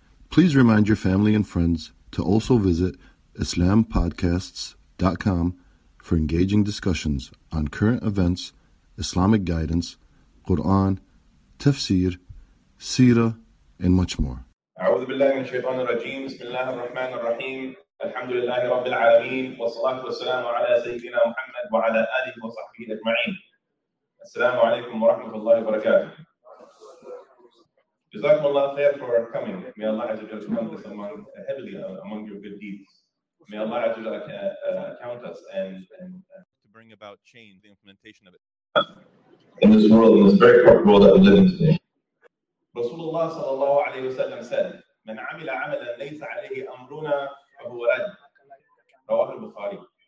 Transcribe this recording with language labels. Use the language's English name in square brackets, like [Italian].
[English] Please remind your family and friends to also visit IslamPodcasts.com for engaging discussions on current events, Islamic guidance, Quran, tafsir, seerah, and much more. [Arabic] أعوذ بالله من الشيطان الرجيم بسم الله الرحمن الرحيم الحمد لله رب العالمين والصلاة والسلام على سيدنا محمد وعلى آله وصحبه أجمعين السلام عليكم ورحمة الله وبركاته جزاكم الله خير [English] for coming. May Allah عز وجل count us heavily among your good deeds. May Allah عز وجل count us and to bring about change, the implementation of it in this world, in this very corrupt world that we live in today. Rasulullah sallallahu alayhi wa sallam said, [Arabic] "Man amila amalan laysa alayhi amruna fa huwa rad." [English] Rawah al-Bukhari.